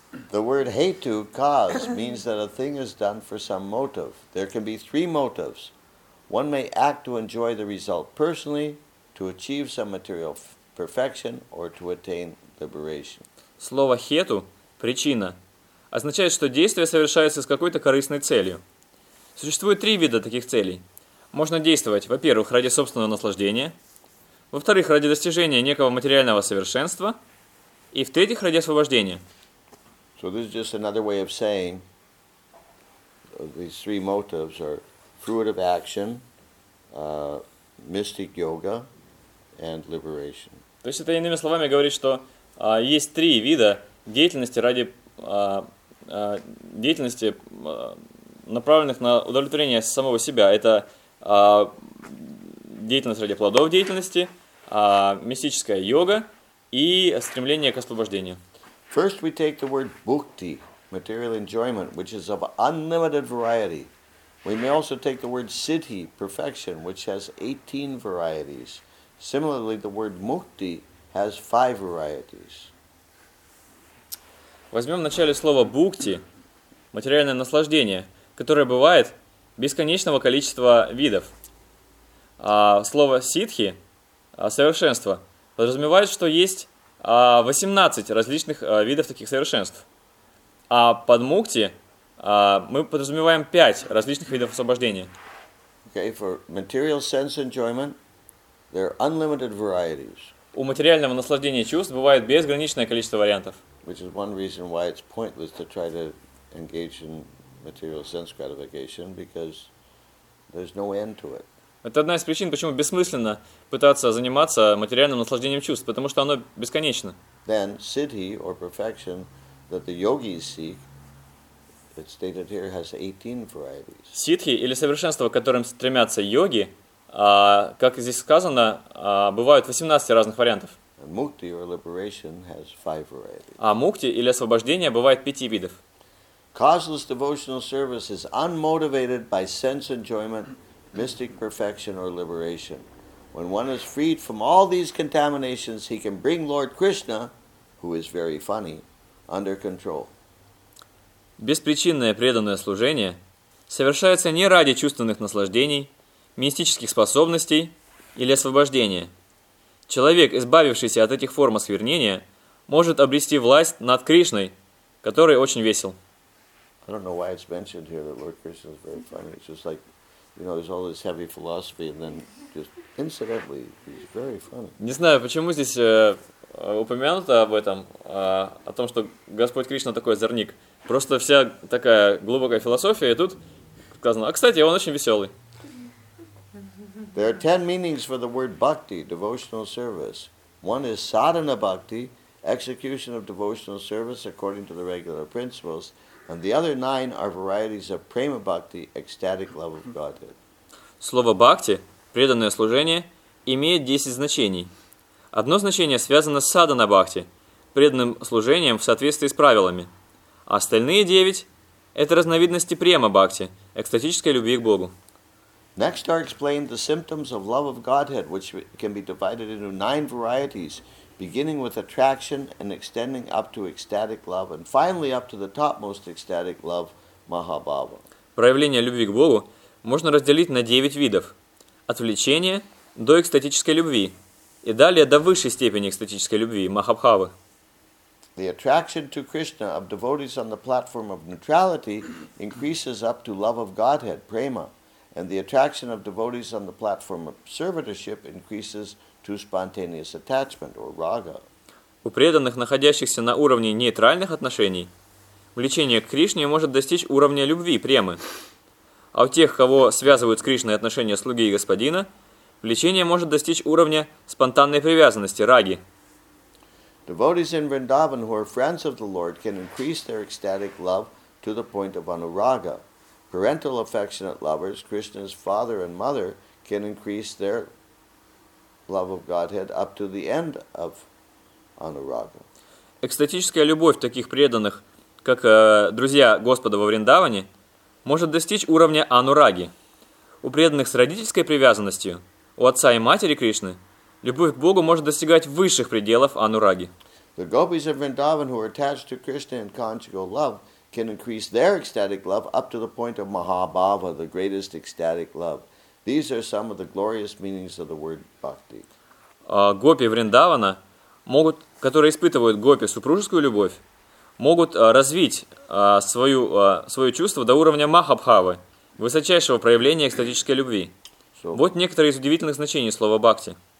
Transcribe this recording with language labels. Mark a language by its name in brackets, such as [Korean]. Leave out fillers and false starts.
[English] The word hetu, cause, means that a thing is done for some motive. There can be three motives. One may act to enjoy the result personally, to achieve some material perfection or to attain liberation. [Russian] Слово хету, причина, означает, что действие совершается с какой-то корыстной целью. Существует три вида таких целей. Можно действовать, во-первых, ради собственного наслаждения, во-вторых, ради достижения некого материального совершенства, и в-третьих, ради освобождения. [English] So this is just another way of saying these three motives are fruit of action, mystic yoga, and liberation. [Russian] То есть это иными словами говорит, что есть три вида деятельности ради деятельности, направленных на удовлетворение самого себя. Это деятельность ради плодов деятельности, мистическая йога и стремление к освобождению. [English] First we take the word bhukti, material enjoyment, which is of unlimited variety. We may also take the word siddhi, perfection, which has 18 varieties. Similarly, the word mukti has 5 varieties. [Russian] Возьмем вначале слово бхукти, материальное наслаждение, которое бывает бесконечного количества видов. Слово сиддхи, совершенство, подразумевает, что есть 18 различных видов таких совершенств. А под мукти мы подразумеваем 5 различных видов освобождения. [English] Okay, for material sense enjoyment, there are unlimited varieties. [Russian] У материального наслаждения чувств бывает безграничное количество вариантов. [English] Which is one reason why it's pointless to try to engage in material sense gratification, because there's no end to it. [Russian] Это одна из причин, почему бессмысленно пытаться заниматься материальным наслаждением чувств, потому что оно бесконечно. [English] Then siddhi or perfection that the yogis seek, it's stated here, has 18 varieties. [Russian] Сиддхи или совершенство, к которым стремятся йоги, как здесь сказано, бывают 18 разных вариантов. [English] Mukti or liberation has 5 varieties. [Russian] А мукти или освобождение бывает 5 видов. [English] Causeless devotional service is unmotivated by sense enjoyment, mystic perfection or liberation. When one is freed from all these contaminations, he can bring Lord Krishna, who is very funny, under control. [Russian] Беспричинное преданное служение совершается не ради чувственных наслаждений, мистических способностей или освобождения. Человек, избавившийся от этих форм осквернения, может обрести власть над Кришной, который очень весел. [English] I don't know why it's mentioned here that Lord Krishna is very funny. It's just like, you know, there's all this heavy philosophy, and then just incidentally, he's very funny. [Russian] Не знаю, почему здесь упомянуто об этом, о том, что Господь Кришна такой озорник. Просто вся такая глубокая философия, и тут сказано, а кстати, он очень веселый. [English] There are 10 meanings for the word bhakti, devotional service. One is sadhana bhakti, execution of devotional service according to the regular principles. And the other 9 are varieties of prema bhakti, ecstatic love of Godhead. [Russian] Слово бхакти, преданное служение, имеет 10 значений. Одно значение связано с садхана бхакти, преданным служением в соответствии с правилами. А остальные 9 – это разновидности према бхакти, экстатической любви к Богу. [English] Next are explained the symptoms of love of Godhead, which can be divided into 9 varieties, beginning with attraction and extending up to ecstatic love, and finally up to the topmost ecstatic love, Mahabhava. [Russian] Проявление любви к Богу можно разделить на 9 видов. От влечения до экстатической любви, и далее до высшей степени экстатической любви, Mahabhava. [English] The attraction to Krishna of devotees on the platform of neutrality increases up to love of Godhead, prema, and the attraction of devotees on the platform of servitorship increases to spontaneous attachment or raga. [Russian] У преданных, находящихся на уровне нейтральных отношений, влечение к Кришне может достичь уровня любви, премы. А у тех, кого связывают с Кришной отношения слуги и господина, влечение может достичь уровня спонтанной привязанности, раги. [English] Devotees in Vrindavan who are friends of the Lord can increase their ecstatic love to the point of anuraga. Parental affectionate lovers, Krishna's father and mother, can increase their love of Godhead up to the end of anuraga. [Russian] Экстатическая любовь таких преданных, как друзья Господа во Вриндаване, может достичь уровня анураги. У преданных с родительской привязанностью, у отца и матери Кришны, любовь к Богу может достигать высших пределов анураги. [English] The gopis of Vrindavan who are attached to Krishna in conjugal love can increase their ecstatic love up to the point of Mahabhava, the greatest ecstatic love. These are some of the glorious meanings of the word bhakti. [Russian] гопи Вриндавана, могут, которые испытывают гопи супружескую любовь, могут развить свое чувство до уровня Махабхавы, высочайшего проявления экстатической любви. Вот некоторые из удивительных значений слова «бхакти».